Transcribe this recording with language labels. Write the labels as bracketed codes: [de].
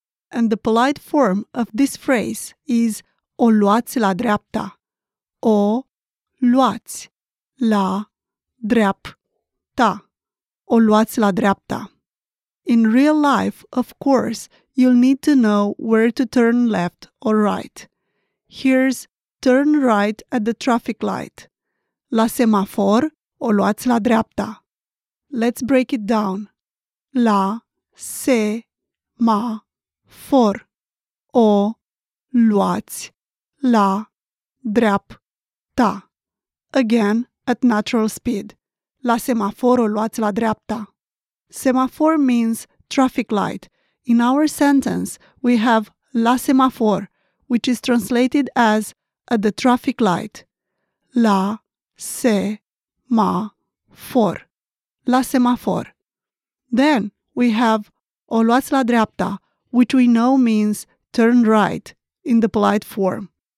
[en] And the polite form of this phrase is [ro] o luați la dreapta. O luați la dreapta. O luați la dreapta. [en] In real life, of course, you'll need to know where to turn left or right. Here's turn right at the traffic light. [ro] La semafor, o luați la dreapta. [en] Let's break it down. [ro] La semafor, o luați la dreapta. [en] Again, at natural speed. [ro] La semafor, o luați la dreapta. [en] Semafor means traffic light. In our sentence, we have [ro] la semafor, [en] which is translated as at the traffic light. [ro] La semafor. La semafor. [en] Then we have [ro] o luați la dreapta, [en] which we know means turn right in the polite form.